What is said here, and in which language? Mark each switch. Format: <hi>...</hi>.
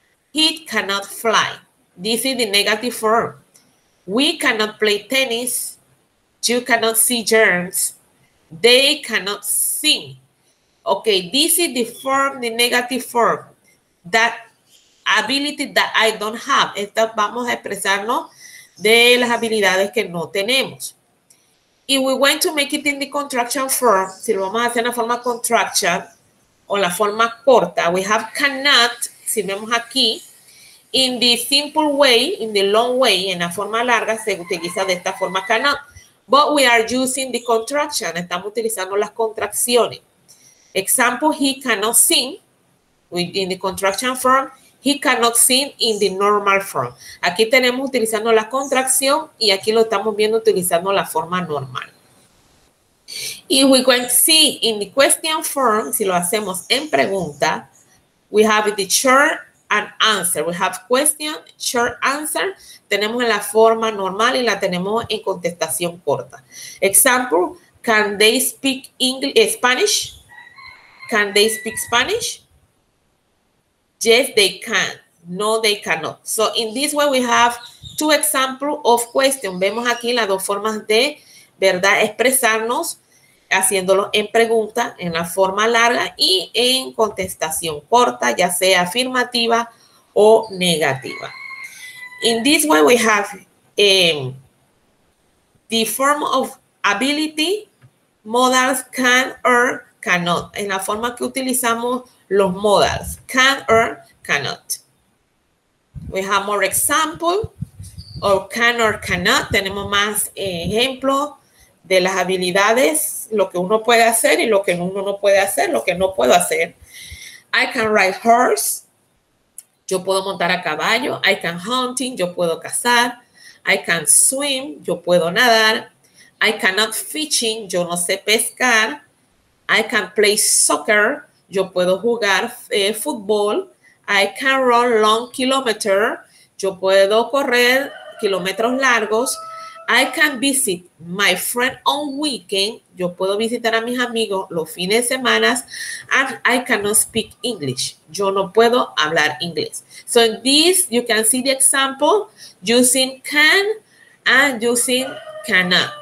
<en>He cannot fly. This is the negative form. We cannot play tennis. You cannot see germs. They cannot sing. Okay, this is the form, the negative form. That ability that I don't have.</en> <es>Esta vamos a expresarnos de las habilidades que no tenemos.</es> <en>If we want to make it in the contraction form,</en> <es>si lo vamos a hacer en la forma contraction o la forma corta,</es> <en>we have cannot,</en> <es>si vemos aquí,</es> <en>in the simple way, in the long way,</en> <es>en la forma larga, se utiliza de esta forma cannot.</es> <en>But we are using the contraction,</en> <es>estamos utilizando las contracciones.</es> <en>Example, he cannot sing, in the contraction form, he cannot sing in the normal form.</en> <es>Aquí tenemos utilizando la contracción y aquí lo estamos viendo utilizando la forma normal.</es> <en>If we can see in the question form,</en> <es>si lo hacemos en pregunta,</es> <en>we have the short and answer. We have question, short answer.</en> <es>Tenemos en la forma normal y la tenemos en contestación corta.</es> <en>Example, can they speak English, Spanish? Can they speak Spanish? Yes, they can. No, they cannot. So in this way, we have two examples of questions.</en> <es>Vemos aquí las dos formas de, ¿verdad?, expresarnos haciéndolo en pregunta, en la forma larga y en contestación corta, ya sea afirmativa o negativa.</es> <en>In this way, we have the form of ability, modals, can or cannot.</en> <es>En la forma que utilizamos los modals,</es> <en>can or cannot. We have more examples of can or cannot.</en> <es>Tenemos más ejemplos de las habilidades, lo que uno puede hacer y lo que uno no puede hacer, lo que no puedo hacer.</es> <en>I can ride horse.</en> <es>Yo puedo montar a caballo.</es> <en>I can hunting.</en> <es>Yo puedo cazar.</es> <en>I can swim.</en> <es>Yo puedo nadar.</es> <en>I cannot fishing.</en> <es>Yo no sé pescar.</es> <en>I can play soccer.</en> <es>Yo puedo jugar fútbol.</es> <en>I can run long kilometers.</en> <es>Yo puedo correr kilómetros largos.</es> <en>I can visit my friend on weekend.</en> <es>Yo puedo visitar a mis amigos los fines de semana.</es> <en>And I cannot speak English.</en> <es>Yo no puedo hablar inglés.</es> <en>So in this, you can see the example using can and using cannot.</en>